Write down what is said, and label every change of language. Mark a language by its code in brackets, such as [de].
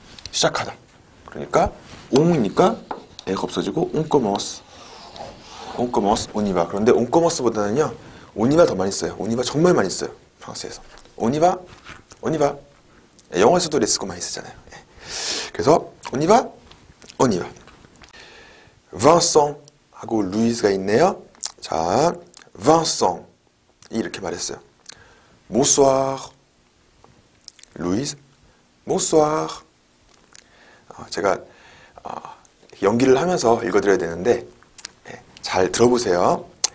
[ko] 시작하다. 그러니까 on이니까 에가 없어지고 [fr] on commence. On commence, on y va. [ko] 그런데 [fr] on commence [ko] 보다는요, [fr] on y va [ko] 더 많이 써요. [fr] On y va [ko] 정말 많이 써요. 프랑스에서. [fr] On y va, on y va. [ko] 예, 영어에서도 [en] let's go [ko] 많이 쓰잖아요. 예. 그래서 [fr] on y va, on y va. [ko] Vincent 하고 루이즈가 있네요. 자, Vincent. 이렇게 말했어요. [fr] Bonsoir, Louise. Bonsoir. [ko] 제가 연기를 하면서 읽어드려야 되는데 네, 잘 들어보세요.